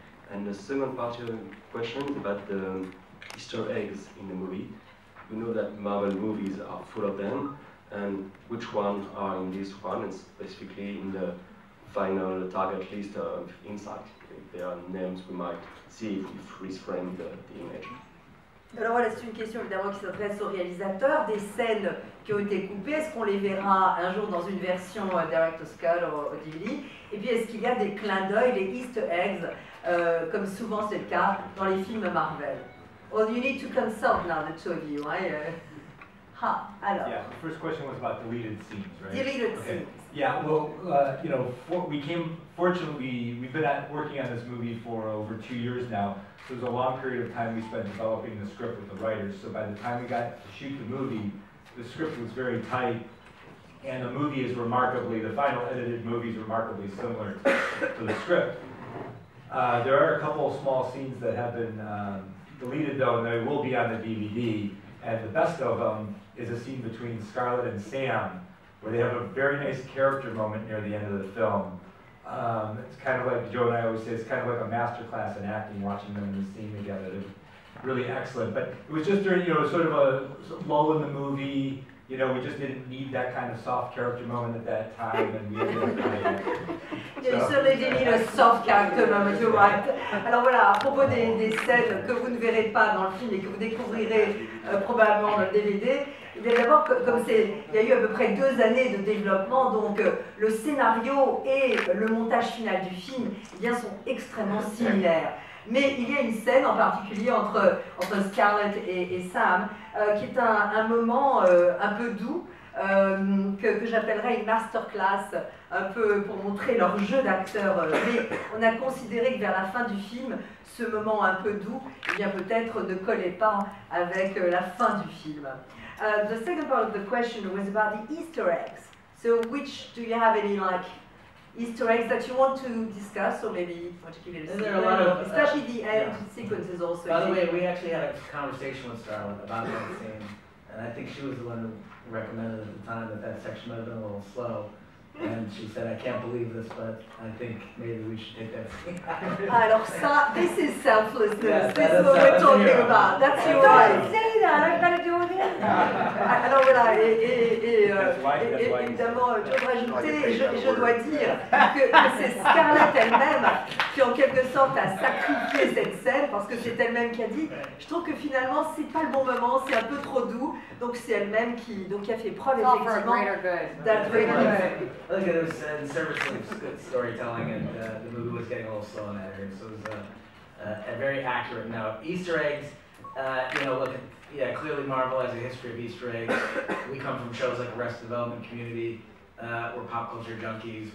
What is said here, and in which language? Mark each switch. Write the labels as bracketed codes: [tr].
[en] And the second part of the question about the Easter eggs in the movie. We know that Marvel movies are full of them, and which ones are in this one? It's specifically in the final target list of Insight. There are names we might see if we freeze frame the image. [fr] Alors voilà, c'est une question évidemment qui s'adresse au réalisateur. Des scènes qui ont été coupées, est-ce qu'on les verra un jour dans une version Director's Cut ou DVD? Et puis est-ce qu'il y a des clins d'œil, des Easter eggs, comme souvent c'est le cas dans les films Marvel? [en] Well, you need to consult now, the two of you. Yeah, the first question was about deleted scenes, right? Deleted scenes. Yeah, well, you know, we've been working on this movie for over 2 years now, so it was a long period of time we spent developing the script with the writers, so by the time we got to shoot the movie, the script was very tight, and the movie is remarkably, the final edited movie is remarkably similar to the script. There are a couple of small scenes that have been deleted, though, and they will be on the DVD. And the best of them is a scene between Scarlett and Sam, where they have a very nice character moment near the end of the film. It's kind of like, Joe and I always say, it's kind of like a master class in acting, watching them in the scene together. They're really excellent. But it was just during, you know, sort of a lull in the movie. You know, we just didn't need that kind of soft character moment at that time. And we didn't really need it. You certainly didn't need a soft character moment, you're right. [fr] Alors voilà, à propos des scènes que vous ne verrez pas dans le film et que vous découvrirez probablement dans le DVD, d'abord, comme c'est, il y a eu à peu près 2 années de développement, donc le scénario et le montage final du film sont extrêmement similaires. Mais il y a une scène en particulier entre Scarlett et Sam qui est un moment un peu doux, que j'appellerais une masterclass, un peu pour montrer leur jeu d'acteur. Mais on a considéré que vers la fin du film, ce moment un peu doux, eh bien peut-être ne collait pas avec la fin du film. [en] The second part of the question was about the Easter eggs. So which do you have any like Easter eggs that you want to discuss or maybe particularly there a lot of, especially the end sequences also? By the way, we actually had a conversation with Scarlett about that scene. And I think she was the one who recommended at the time that section might have been a little slow. And she said, I can't believe this, but I think maybe we should take that scene. [fr] Alors ça, [en] this is selflessness. Yes, this is what we're talking about. That's your Don't wife. Don't say that. I've got to do it again. [fr] Alors voilà, évidemment, je dois ajouter, je dois dire que c'est Scarlett elle-même qui, en quelque sorte, a sacrifié cette scène, parce que c'est elle-même qui a dit, je trouve que finalement, c'est pas le bon moment, c'est un peu trop doux. Donc c'est elle-même qui a fait preuve, effectivement, d'être [en] I think it was in service of good storytelling, and the movie was getting a little slow on that here, so it was a very accurate note. Easter eggs, you know, look, yeah, clearly Marvel has a history of Easter eggs. We come from shows like Arrested Development, Community. We're pop culture junkies.